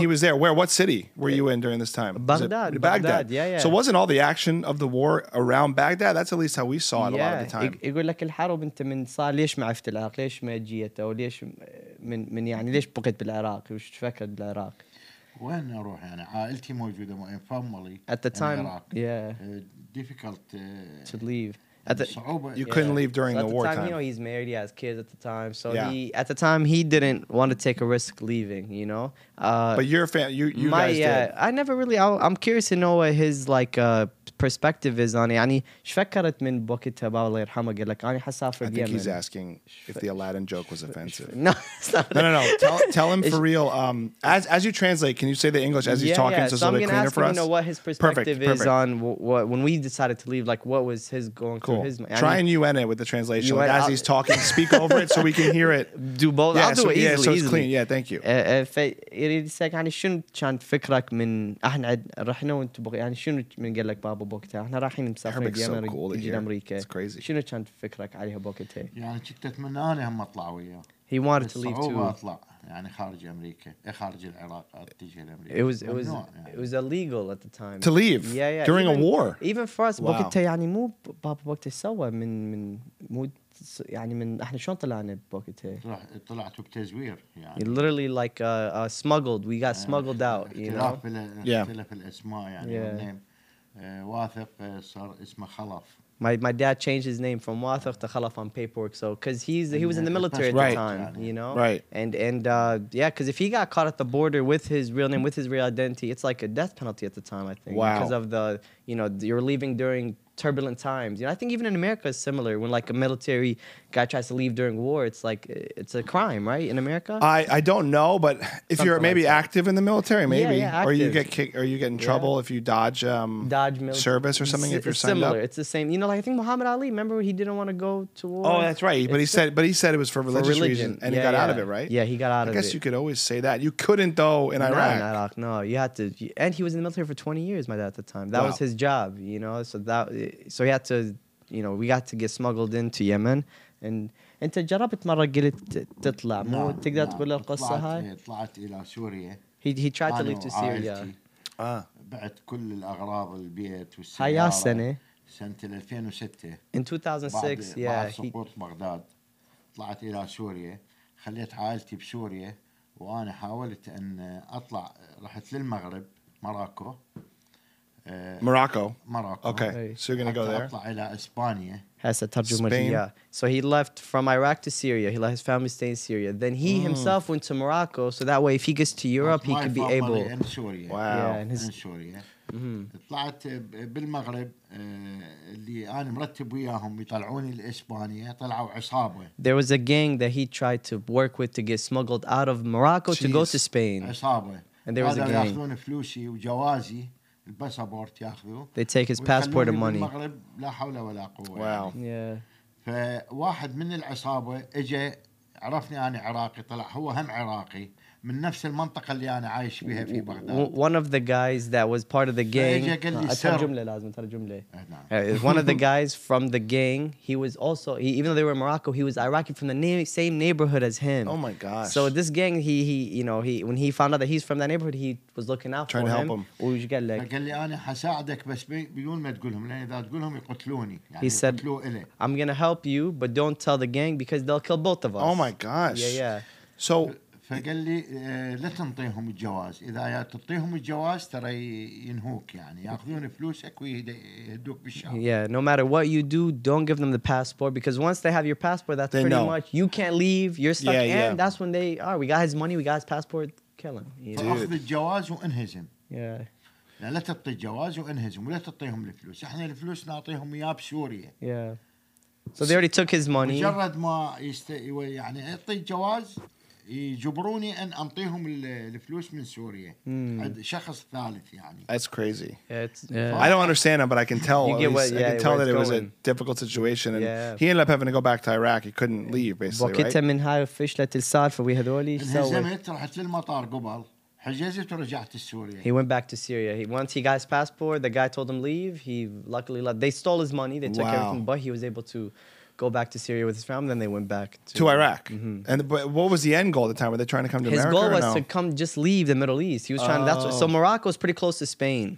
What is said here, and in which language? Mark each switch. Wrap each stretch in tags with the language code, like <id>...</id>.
<en>He was there. Where? What city were you in during this time? Baghdad. Yeah, yeah. So wasn't all the action of the war around Baghdad? That's at least how we saw it a lot of the time. He said, "The war is from when you left the Iraq. Why did you come? Why did you stay in Iraq? Why did you think about Iraq?"</en> <ar>وين أروح أنا عائلتي موجودة وين فاميلي</ar> <en>at the time Iraq. Difficult to leave. You couldn't leave during the wartime. At the time, you know, he's married. He has kids at the time. So he didn't want to take a risk leaving, you know. But your family, you guys did. I never really, I'm curious to know what his, like, perspective is on it.</en> <ar>يعني شفكرت من بوقت تباو الله يرحمه قال لك أنا حسافر</ar> <en>اليمن. I think he's asking if the Aladdin joke was offensive. No. Tell him for real. As you translate, can you say the English as he's talking so it's a little cleaner for us? I'm going to ask him, you know, what his perspective is on what when we decided to leave, like, what was his going cool. through his mind. Try and UN it with the translation. Like, as he's talking, speak over it so we can hear it. Do both. Yeah, I'll do it easily. Yeah, so it's clean. Yeah, thank you.</en> <ar>يريد يسألك يعني شنو كانت فكرك من احنا رحنا وانت بقى يعني شنو من قال لك بابا بوقتها احنا رايحين مسافرين جينا امريكا شنو كانت فكرك عليها بوقتها يعني كنت اتمنى هم اطلع وياه</ar> <en>he wanted to leave too</en> <ar>اطلع يعني خارج امريكا خارج العراق اتجه لامريكا</ar> <en>it was illegal at the time to leave during a war even for us</en> <ar>بوقتها يعني مو بابا بوقتها سوى من مو يعني من احنا شلون طلعنا بوقتها طلعت بتزوير يعني</ar> <en>literally like smuggled we got smuggled out you know</en> <ar>اختلاف الاسماء يعني واثق صار اسمه خلف</ar> <en>my dad changed his name from Wathiq to Khalaf on paperwork so cuz he was in the military at the time you know right and cuz if he got caught at the border with his real name with his real identity it's like a death penalty at the time I think wow. because of the you know you're leaving during turbulent times. You know, I think even in America it's similar. When like a military guy tries to leave during war, it's like it's a crime, right? In America? I don't know, but if something you're maybe like active in the military, maybe. Yeah, active. Or you get kicked or you get in trouble if you dodge service or something if you're signed similar. Up. It's the same. You know, like I think Muhammad Ali, remember when he didn't want to go to war? Oh, that's right. But he said it was for religious reason. And he got out of it, right? Yeah, he got out of it. I guess you could always say that. You couldn't though in Iraq. No, you had to and he was in the military for 20 years, my dad at the time. That was his job, you know. So he had to, you know, we got to get smuggled into Yemen. And</en> <ar>انت جربت مره قلت تطلع مو تقدر تقول القصه هاي طلعت الى سوريا</ar> <en>he tried to leave to Syria</en> <ar>بعت كل الاغراض البيت والسياره هاي السنه سنه 2006</ar> <en>in 2006</en> <ar>سقوط بغداد طلعت الى سوريا خليت عائلتي بسوريا وانا حاولت ان اطلع رحت للمغرب مراكو</ar> <en>Morocco. Okay. So you're going to go there?</en> <ar>إلى إسبانيا.</ar> <en>Has a tarjuma. Yeah. So he left from Iraq to Syria. He let his family stay in Syria. Then he himself went to Morocco. So that way, if he gets to Europe, he could be able. In Syria. Wow. Yeah, in Syria.</en> <ar>طلعت بالمغرب اللي أنا مرتب وياهم يطلعوني لإسبانيا طلعوا عصابة.</ar> <en>There was a gang that he tried to work with to get smuggled out of Morocco to go to Spain.</en> <ar>عصابة.</ar> <en>And there was a gang.</en> <ar>قالوا ياخذون فلوسي وجوازي. الباسبورت ياخذوا.</ar> <en>They take his passport and money.</en> <ar>المغرب لا حول ولا قوة.</ar> <en>Wow. Yeah.</en> <ar>فواحد من العصابة إجا عرفني أنا عراقي طلع هو هم عراقي من نفس المنطقة اللي أنا عايش فيها في بغداد.</ar> <en>One of the guys that was part of the gang. One of the guys from the gang. He was also even though they were in Morocco, he was Iraqi from the same neighborhood as him. Oh my gosh! So this gang, he when he found out that he's from that neighborhood, he was looking out trying for him. Trying to help him.</en> <ar>وش قال لك؟ قال لي أنا حساعدك بس بدون ما تقولهم لأن إذا تقولهم يقتلوني.</ar> <en>He said, "I'm gonna help you, but don't tell the gang because they'll kill both of us." Oh my gosh! Yeah. So.</en> <ar>فقال لي لا تنطيهم الجواز إذا تعطيهم الجواز ترى ينهوك يعني يأخذون فلوسك ويهدوك بالشارع.</ar> <en>Yeah, no matter what you do, don't give them the passport because once they have your passport, that's they pretty know. Much you can't leave. You're stuck, and that's when they are. We got his money, we got his passport. Kill him.</en> <ar>فأخذ الجواز وانهزم.</ar> <en>Yeah.</en> <ar>لا تعطي الجواز وانهزم ولا تعطيهم الفلوس. إحنا الفلوس نعطيهم إياه بسوريا.</ar> <en>Yeah. So they already took his money.</en> <ar>مجرد ما يعني يعطي الجواز. يجبروني أن أنطيهم الفلوس من سوريا شخص ثالث يعني.</ar> <en>That's crazy. Yeah, I don't understand him, but I can tell. I can tell that it was a difficult situation, and he ended up having to go back to Iraq. He couldn't leave, basically.</en> <ar>بقيت من هاي فشلة السالفة وهذولي. انهزمت رحت للمطار قبل حجزت ورجعت السوريا.</ar> <en>He went back to Syria. Once he got his passport, the guy told him leave. He luckily left. They stole his money. They took everything, but he was able to. Go back to Syria with his family, then they went back to Iraq. Mm-hmm. And what was the end goal at the time? Were they trying to come to his America? His goal was no? to come, just leave the Middle East. He was trying. So Morocco is pretty close to Spain.</en>